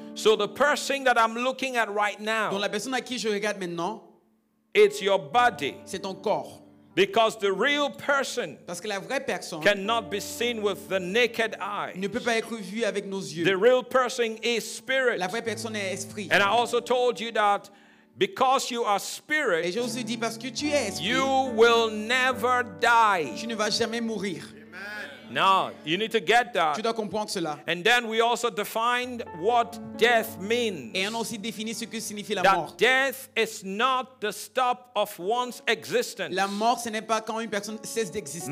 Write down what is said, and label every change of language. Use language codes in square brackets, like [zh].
[en] So the person that I'm looking at right now, [fr] donc la personne à qui je regarde maintenant, [en] it's your body. [fr] C'est ton corps. [en] Because the real person, [fr] parce que la vraie personne, [en] cannot be seen with the naked eye. [fr] Ne peut pas être vue avec nos yeux. [en] The real person is spirit. [fr] La vraie personne est esprit. [en] And I also told you that because you are spirit, [fr] et je vous ai dit, parce que tu es esprit, [en] you will never die. [fr] Tu ne vas jamais mourir. [en] Now, you need to get that. [fr] Tu dois comprendre cela. [en] And then we also defined what death means. [fr] Et on a aussi défini ce que signifie la that mort. [en] Death is not the stop of one's existence. [fr] La mort, ce n'est pas quand une personne cesse d'exister.